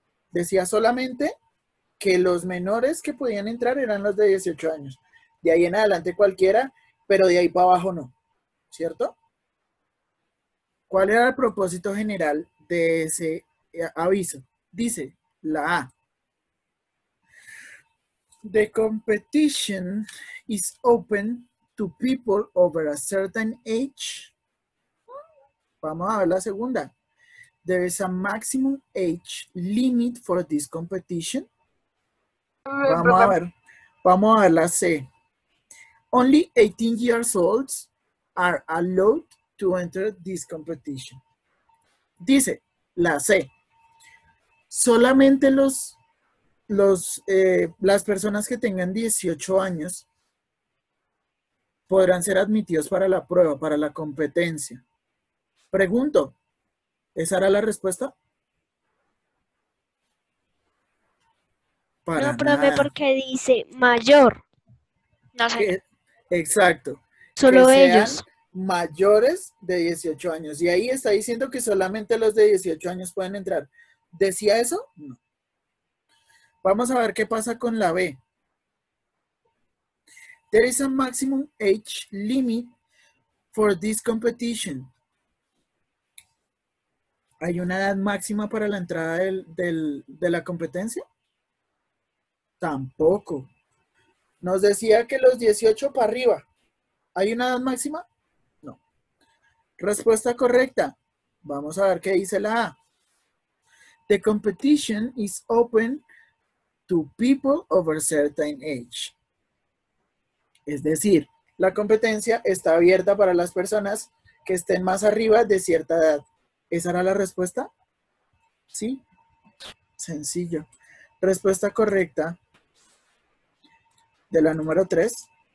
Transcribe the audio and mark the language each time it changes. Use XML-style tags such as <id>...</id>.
<es>Decía solamente que los menores que podían entrar eran los de 18 años. De ahí en adelante cualquiera, pero de ahí para abajo no. ¿Cierto? ¿Cuál era el propósito general de ese aviso? Dice la A.</es> <en>The competition is open to people over a certain age.</en> <es>Vamos a ver la segunda.</es> <en>There is a maximum age limit for this competition.</en> <es>Vamos a ver la C.</es> <en>Only 18 years old are allowed to enter this competition.</en> <es>Dice la C. Solamente las personas que tengan 18 años podrán ser admitidos para la prueba, para la competencia. Pregunto, ¿esa era la respuesta? Para no, profe, nada. Porque dice mayor. No sé. Exacto. Solo que sean ellos. Mayores de 18 años. Y ahí está diciendo que solamente los de 18 años pueden entrar. ¿Decía eso? No. Vamos a ver qué pasa con la B.</es> <en>There is a maximum age limit for this competition.</en> <es>¿Hay una edad máxima para la entrada de la competencia? Tampoco. Nos decía que los 18 para arriba. ¿Hay una edad máxima? No. Respuesta correcta. Vamos a ver qué dice la A.</es> <en>The competition is open to people over certain age.</en> <es>Es decir, la competencia está abierta para las personas que estén más arriba de cierta edad. ¿Esa era la respuesta? ¿Sí? Sencillo. Respuesta correcta de la número 3.</es>